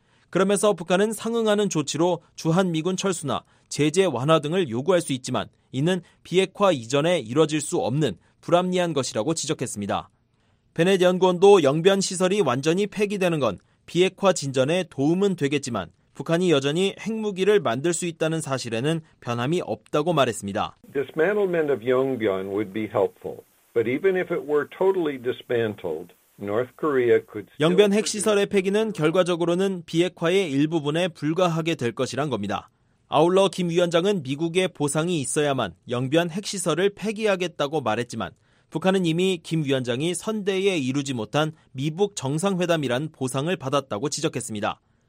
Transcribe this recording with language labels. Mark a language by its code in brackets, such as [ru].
[ko] 그러면서 북한은 상응하는 조치로 주한미군 철수나 제재 완화 등을 요구할 수 있지만 이는 비핵화 이전에 이뤄질 수 없는 불합리한 것이라고 지적했습니다. 베넷 연구원도 영변 시설이 완전히 폐기되는 건 비핵화 진전에 도움은 되겠지만 북한이 여전히 핵무기를 만들 수 있다는 사실에는 변함이 없다고 말했습니다. [en] Dismantlement of Yongbyon would be helpful, but even if it were totally dismantled, North Korea could still... [ko] 영변 핵시설의 폐기는 결과적으로는 비핵화의 일부분에 불과하게 될 것이란 겁니다. 아울러 김 위원장은 미국의 보상이 있어야만 영변 핵시설을 폐기하겠다고 말했지만 북한은 이미 김 위원장이 선대에 이루지 못한 미북 정상회담이란 보상을 받았다고 지적했습니다.